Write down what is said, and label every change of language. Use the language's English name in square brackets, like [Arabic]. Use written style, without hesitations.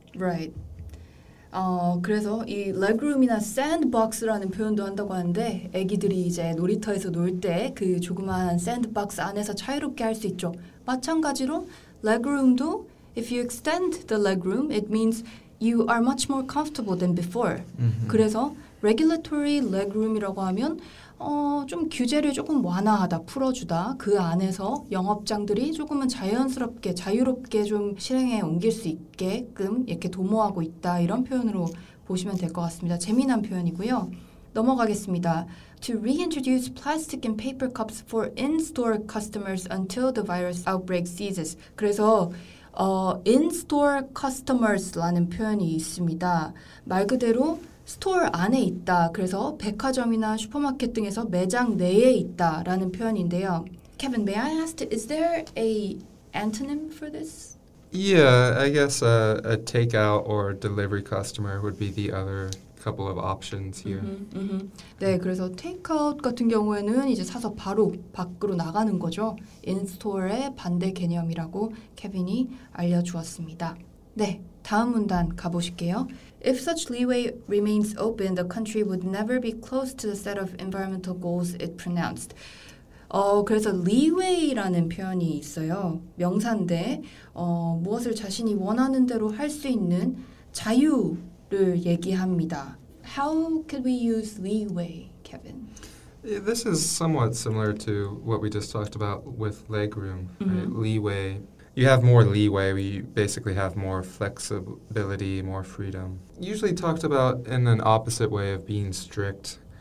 [Korean] Right. 그래서 이 legroom이나 sandbox라는 표현도 한다고 하는데 아기들이 이제 놀이터에서 놀 때 그 조그마한 sandbox 안에서 자유롭게 할 수 있죠. 마찬가지로 legroom도 [English] if you extend the legroom, it means you are much more comfortable than before. [Korean] 그래서 regulatory legroom이라고 하면 좀 규제를 조금 완화하다, 풀어주다, 그 안에서 영업장들이 조금은 자연스럽게, 자유롭게 좀 실행에 옮길 수 있게끔 이렇게 도모하고 있다, 이런 표현으로 보시면 될 것 같습니다. 재미난 표현이고요. 넘어가겠습니다. [English] To reintroduce plastic and paper cups for in-store customers until the virus outbreak ceases. [Korean] 그래서 in-store customers라는 표현이 있습니다. 말 그대로 스토어 안에 있다. 그래서 백화점이나 슈퍼마켓 등에서 매장 내에 있다라는 표현인데요. [English] Kevin, may I ask, is there a antonym for this? Yeah, I guess a takeout or delivery customer would be the other couple of options here. Mm-hmm, mm-hmm. [Korean] 네, 그래서 테이크아웃 같은 경우에는 이제 사서 바로 밖으로 나가는 거죠. 인스토어의 반대 개념이라고 케빈이 알려주었습니다. 네, 다음 문단 가보실게요. [English] If such leeway remains open, the country would never be close to the set of environmental goals it pronounced. [Korean] 그래서 leeway라는 표현이 있어요. 명사인데 무엇을 자신이 원하는 대로 할 수 있는 자유를 얘기합니다. [English] How could we use leeway, Kevin? This is somewhat similar to what we just talked about with legroom, mm-hmm. right? Leeway. You have more leeway. We basically have more flexibility, more freedom. Usually talked about in an opposite way of being strict.